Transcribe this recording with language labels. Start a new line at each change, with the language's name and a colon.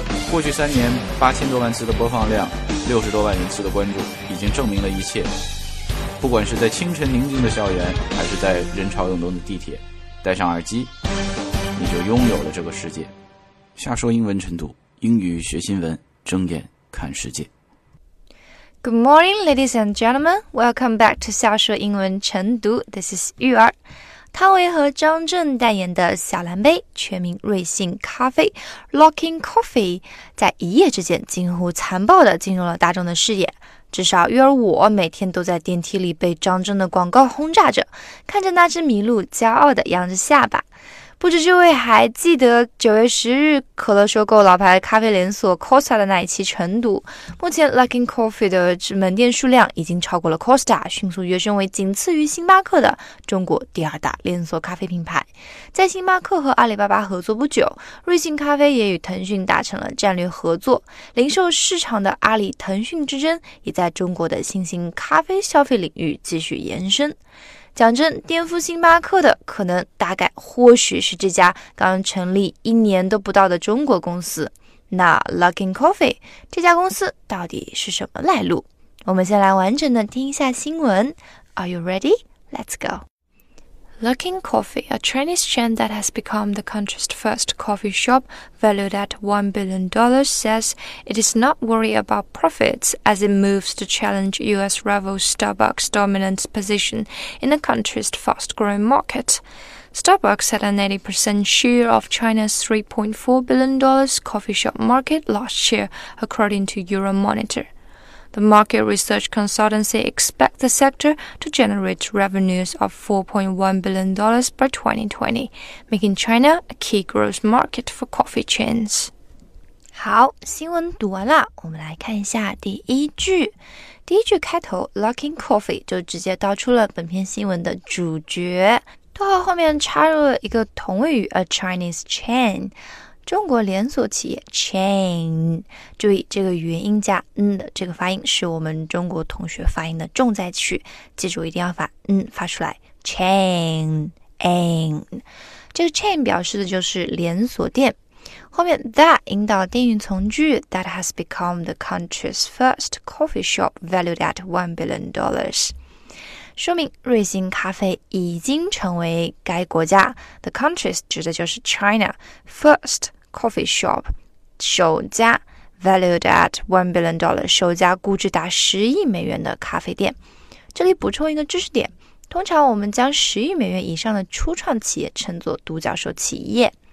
Chinese: 过去三年，8000多万次的播放量，60多万人次的关注，已经证明了一切。不管是在清晨宁静的校园，还是在人潮涌动的地铁，戴上耳机，你就拥有了这个世界。下说英文晨读，英语学新闻，睁眼看世界。
English: Good morning, ladies and gentlemen. Welcome back to 下说英文晨读 This is 玉儿。
Chinese: 汤唯和张震代言的小蓝杯，全名瑞幸咖啡 Locking Coffee， 在一夜之间近乎残暴地进入了大众的视野。至少玉儿我每天都在电梯里被张震的广告轰炸着，看着那只麋鹿骄傲地扬着下巴。不知这位还记得9月10日可乐收购老牌咖啡连锁 Costa 的那一期晨读，目前 Luckin Coffee 的门店数量已经超过了 Costa， 迅速跃升为仅次于星巴克的中国第二大连锁咖啡品牌。在星巴克和阿里巴巴合作不久，瑞幸咖啡也与腾讯达成了战略合作，零售市场的阿里腾讯之争也在中国的新兴咖啡消费领域继续延伸。讲真，颠覆星巴克的可能大概或许是这家刚成立一年都不到的中国公司。那 Luckin Coffee 这家公司到底是什么来路？我们先来完整的听一下新闻。
English: Are you ready? Let's go. Luckin Coffee, a Chinese chain that has become the country's first coffee shop valued at $1 billion, says it is not worried about profits as it moves to challenge U.S. rival Starbucks' dominant position in the country's fast-growing market. Starbucks had an 80% share of China's $3.4 billion coffee shop market last year, according to Euromonitor. The market research consultancy expects the sector to generate revenues of $4.1 billion by 2020, making China a key growth market for coffee chains.
Chinese: 好，新闻读完了，我们来看一下第一句。第一句开头 ,Luckin Coffee 就直接道出了本篇新闻的主角。逗号后面插入了一个同位语 ,
English: a Chinese chain。
Chinese: 中国连锁企业 chain， 注意这个元音加 n 的这个发音是我们中国同学发音的重灾区，记住一定要发 n 发出来 chain n。这个 chain 表示的就是连锁店，后面 that 引导定语从句
English: that has become the country's first coffee shop valued at $1 billion。
Chinese: 说明瑞幸咖啡已经成为该国家
English: The country's
Chinese: 指的就是 China
English: First coffee shop
Chinese: 首家
English: Valued at $1 billion
Chinese: 首家估值达10亿美元的咖啡店。这里补充一个知识点，通常我们将10亿美元以上的初创企业称作独角兽企业。